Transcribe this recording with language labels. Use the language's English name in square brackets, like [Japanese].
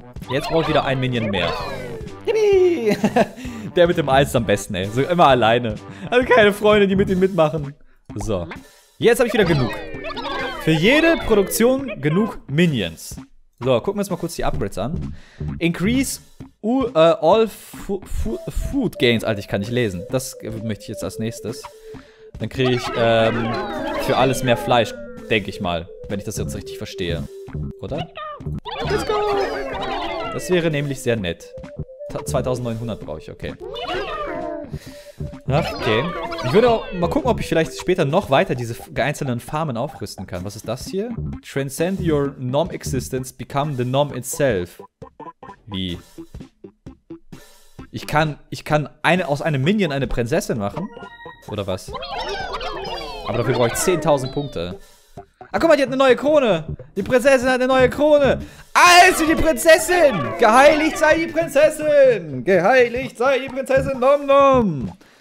[German] Jetzt brauche ich wieder ein Minion mehr. Yippie! Der mit dem Eis am besten, ey. So immer alleine. Also keine Freunde, die mit ihm mitmachen. So. Jetzt habe ich wieder genug. Für jede Produktion genug Minions. So, gucken wir uns mal kurz die Upgrades an. [English] Increase all food gains. [German] Alter, ich kann nicht lesen. Das möchte ich jetzt als nächstes. Dann kriege ich für alles mehr Fleisch, denke ich mal. Wenn ich das jetzt richtig verstehe. Oder? [English] Let's go! [German] Das wäre nämlich sehr nett. 2900 brauche ich, okay. Ach, okay. Ich würde auch mal gucken, ob ich vielleicht später noch weiter diese einzelnen Farmen aufrüsten kann. Was ist das hier? [English] Transcend your Nom-Existence, become the Nom itself. [German] Wie? Ich kann aus einem Minion eine Prinzessin machen? Oder was? Aber dafür brauche ich 10.000 Punkte. Ah, guck mal, die hat eine neue Krone. Die Prinzessin hat eine neue Krone. Also die Prinzessin. Geheiligt sei die Prinzessin. Geheiligt sei die Prinzessin Nom Nom.